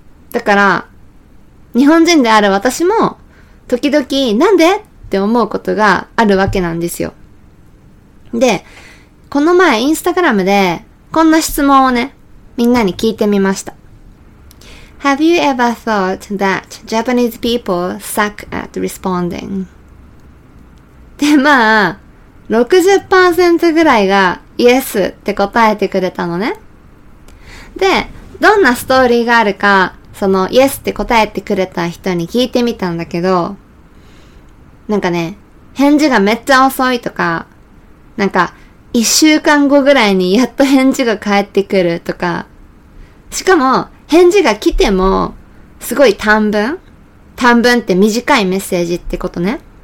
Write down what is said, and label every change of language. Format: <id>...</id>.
<ja>だから、日本人である私も時々なんで？って思うことがあるわけなんですよ。で、この前インスタグラムでこんな質問をね、みんなに聞いてみました。</ja> <en>Have you ever thought that Japanese people suck at responding?</en> <ja>で、まあ、60% ぐらいが Yes って答えてくれたのね。で、どんなストーリーがあるか、その Yes って答えてくれた人に聞いてみたんだけど、なんかね、返事がめっちゃ遅いとか、なんか、一週間後ぐらいにやっと返事が返ってくるとか、しかも返事が来てもすごい短文、短文って短いメッセージってことね。</ja>